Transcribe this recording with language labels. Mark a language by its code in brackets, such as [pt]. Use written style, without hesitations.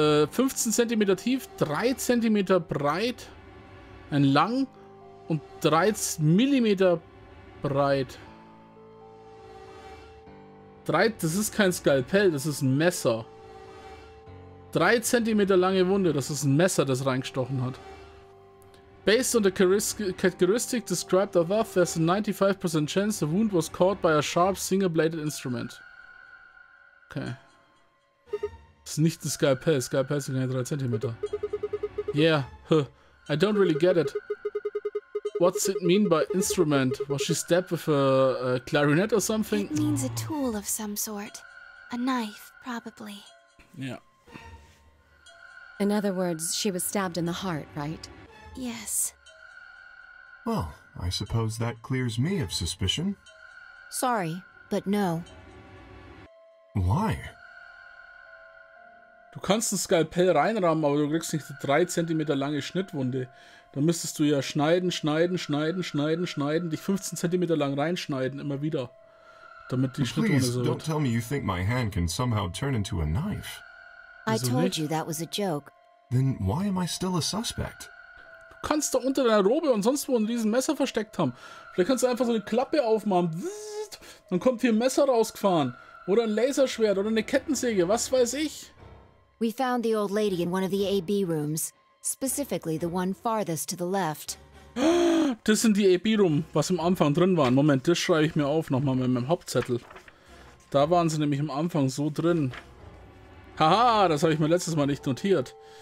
[de] 15 cm tief, 3 cm breit und lang und 3 mm breit. Das ist kein Skalpell, das ist ein Messer. 3 cm lange Wunde, das ist ein Messer, das reingestochen hat. [en] Based on the characteristic described above, there's a 95% chance the wound was caught by a sharp, single-bladed instrument. [de] Okay. Das ist nicht ein Skalpell. Skalpell ist keine 3 cm. [en] Yeah, huh. I don't really get it. What's it mean by instrument? Was she stabbed with a clarinet or something? It means a tool of some sort. A knife, probably. Yeah. In other words, she was stabbed in the heart, right? Yes. Well, I suppose that clears me of suspicion. Sorry, but no. Why? [de] Du kannst ein Skalpell reinrammen, aber du kriegst nicht die 3 cm lange Schnittwunde. Dann müsstest du ja schneiden, dich 15 cm lang reinschneiden, immer wieder. Damit die Schnittwunde so. [en] Please, don't tell me you think my hand can somehow turn into a knife. I told you that was a joke. Then why am I still a suspect? [de] Du kannst da unter deiner Robe und sonst wo ein riesen Messer versteckt haben. Vielleicht kannst du einfach so eine Klappe aufmachen. Dann kommt hier ein Messer rausgefahren. Oder ein Laserschwert oder eine Kettensäge, was weiß ich. [en] We found the old lady in one of the AB rooms, specifically the one farthest to the left. [de] Das sind die AB Rooms, was am Anfang drin waren. Moment, das schreibe ich mir auf nochmal mit meinem Hauptzettel. Da waren sie nämlich am Anfang so drin. Haha, das habe ich mir letztes Mal nicht notiert.